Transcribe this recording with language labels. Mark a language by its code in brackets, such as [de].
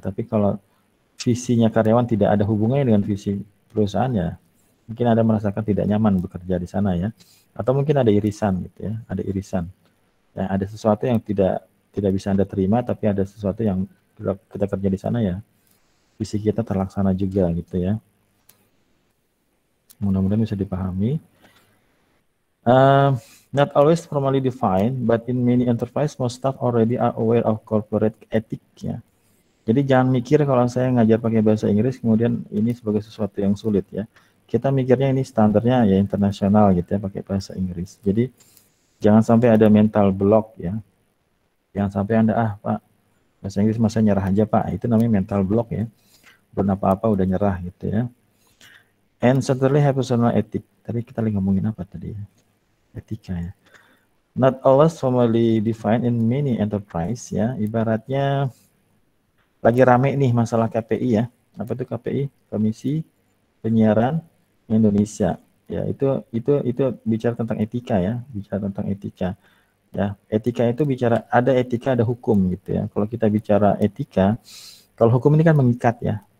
[id] Tapi kalau visinya karyawan tidak ada hubungannya dengan visi perusahaan ya, mungkin Anda merasakan tidak nyaman bekerja di sana ya. Atau mungkin ada irisan gitu ya, ada irisan. Ya, ada sesuatu yang tidak bisa Anda terima, tapi ada sesuatu yang kita kerja di sana ya, visi kita terlaksana juga gitu ya. Mudah-mudahan bisa dipahami. [en] Not always formally defined, but in many enterprise, most staff already are aware of corporate ethics. Ya. [id] Jadi jangan mikir kalau saya ngajar pakai bahasa Inggris, kemudian ini sebagai sesuatu yang sulit ya. Kita mikirnya ini standarnya ya internasional gitu ya, pakai bahasa Inggris. Jadi jangan sampai ada mental block ya. Jangan sampai Anda, ah Pak, bahasa Inggris masa nyerah aja Pak. Itu namanya mental block ya. Belum apa-apa udah nyerah gitu ya. [en] And certainly have personal ethic. [id] Tadi kita lagi ngomongin apa tadi ya? Etika ya. [en] Not always formally defined in many enterprise ya. [id] Ibaratnya lagi rame nih masalah KPI ya. Apa itu KPI? Komisi Penyiaran Indonesia. Ya, itu bicara tentang etika ya, bicara tentang etika. Ya, etika itu bicara ada etika, ada hukum gitu ya. Kalau kita bicara etika, kalau hukum ini kan mengikat ya.